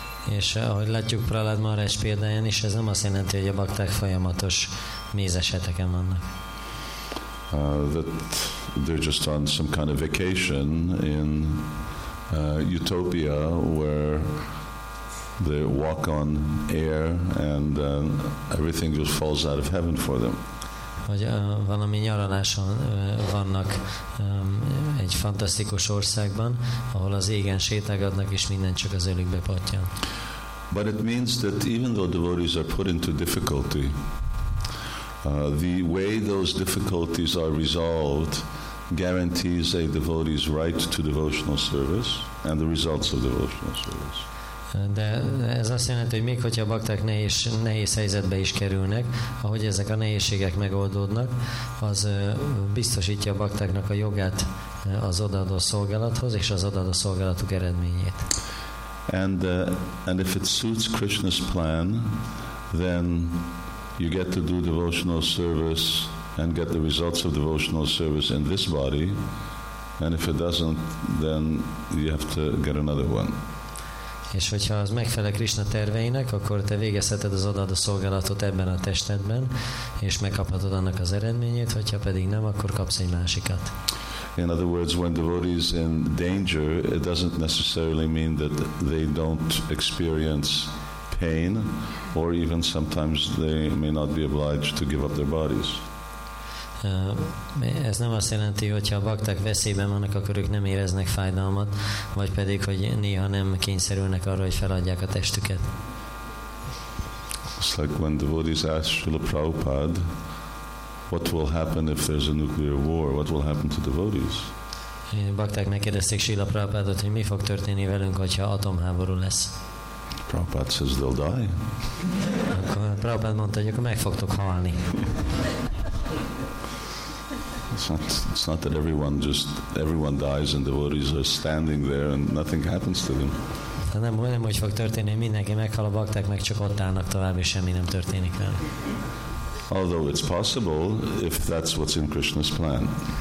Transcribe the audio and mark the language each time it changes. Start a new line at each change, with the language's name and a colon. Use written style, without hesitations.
Hungarian: És ahogy látjuk Prahlad Maharaj példáján is, ez nem azt jelenti, hogy a bakták folyamatos mézeseteken vannak.
English: That they're just on some kind of vacation in utopia where they walk on air and everything just falls out of heaven for them.
Hungarian: Hogy valami nyaraláson vannak egy fantasztikus országban, ahol az égen sétálgatnak, és minden csak az ölükbe pattyan.
English: But it means that even though devotees are put into difficulty, the way those difficulties are resolved guarantees a devotee's right to devotional service and the results of devotional service.
Hungarian: De ez azt jelenti, hogy még hogyha a bakták nehéz helyzetbe is kerülnek, ahogy ezek a nehézségek megoldódnak, az biztosítja a baktáknak a jogát az odaadó szolgálathoz és az odaadó szolgálatuk eredményét.
English: And if it suits Krishna's plan, then you get to do devotional service and get the results of devotional service in this body, and if it doesn't, then you have to get another one.
Hungarian: És hogyha az megfelel Krishna terveinek, akkor te végezheted az odaadó szolgálatot ebben a testedben, és megkaphatod annak az eredményét, hogyha pedig nem, akkor kapsz egy másikat.
English: In other words, when devotee is in danger, it doesn't necessarily mean that they don't experience pain, or even sometimes they may not be obliged to give up their bodies.
Hungarian: Ez nem azt jelenti, hogyha a bakták veszélyben vannak, akkor ők nem éreznek fájdalmat, vagy pedig, hogy néha nem kényszerülnek arra, hogy feladják a testüket.
English: It's like when devotees ask Srila Prabhupada, what will happen if there's a nuclear war? What will happen to devotees?
Hungarian: Bakták megkérdezték Srila Prabhupádot, hogy mi fog történni velünk, hogyha atomháború lesz.
English: Prabhupád says they'll die.
Hungarian: Akkor Prabhupád mondta, hogy akkor meg fogtok halni.
English: It's not that everyone dies and devotees are standing there and nothing happens to them.
Hungarian: Nem hogy fog történni, mindenki meghal, a bakták meg csak ott állnak tovább, és semmi nem történik velük.
English: Although it's possible if that's what's in Krishna's plan.